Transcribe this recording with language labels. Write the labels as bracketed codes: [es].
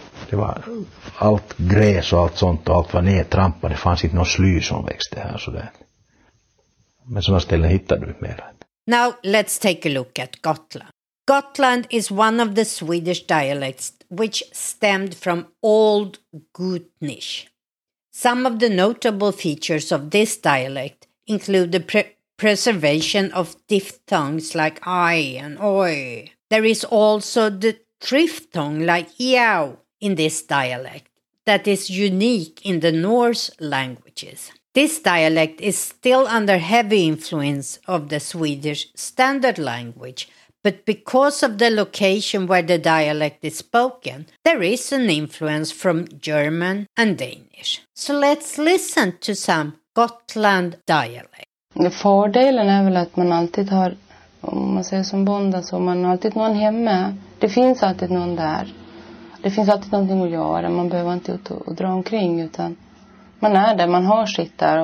[sv] Det var allt gräs och allt sånt och allt var nedtrampat, det fanns inte någon sly som växte här. Så det. Men sådana ställen hittade du mer. [en] Now let's take a look at Gotland. Gotland is one of the Swedish dialects which stemmed from Old Gutnish. Some of the notable features of this dialect include the preservation of diphthongs like I and oi. There is also the triphthong like iau in this dialect that is unique in the Norse languages. This dialect is still under heavy influence of the Swedish standard language, but because of the location where the dialect is spoken, there is an influence from German and Danish. So let's listen to some Gotland dialect. [sv] Fördelen är väl att man alltid har, om man säger som bonda, så man har alltid någon hemma. Det finns alltid någon där. Det finns alltid någonting att göra. Man behöver inte ut och dra omkring, utan man är där. Man har sitt där.